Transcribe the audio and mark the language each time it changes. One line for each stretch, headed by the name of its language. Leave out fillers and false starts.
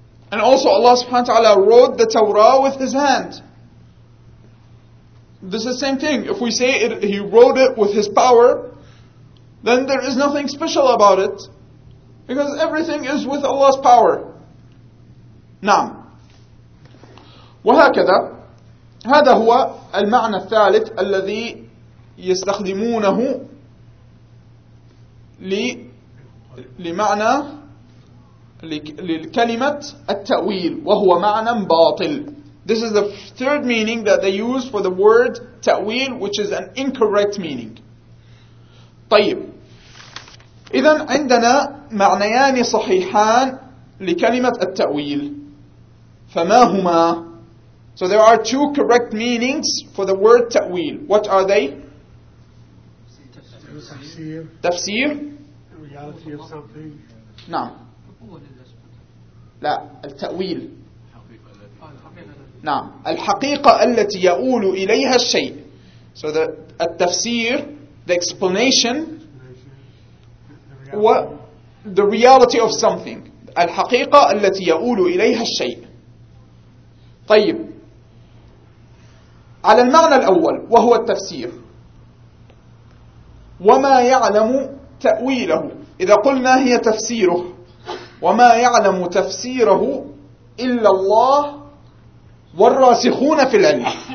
English: And also Allah subhanahu wa ta'ala wrote the Torah with his hand. This is the same thing. If we say he wrote it with his power, then there is nothing special about it. Because everything is with Allah's power.
Arabic: نعم. وهكذا هذا هو المعنى الثالث الذي يستخدمونه لمعنى للكلمة التأويل وهو معنى باطل.
English: This is the third meaning that they use for the word ta'wil, which is an incorrect meaning.
Arabic: طيب إذن عندنا معنيان صحيحان لكلمة التأويل فما هما؟
English: So there are two correct meanings for the word ta'wil. What are they? تفسير. Reality of something.
Arabic: نعم. لا التأويل. نعم الحقيقة التي يؤول إليها الشيء.
English: So the التفسير, the explanation, the reality of something.
Arabic: الحقيقة التي يؤول إليها الشيء. طيب على المعنى الأول وهو التفسير وما يعلم تأويله. إذا قلنا هي تفسيره وما يعلم تفسيره إلا الله والراسخون في العلم.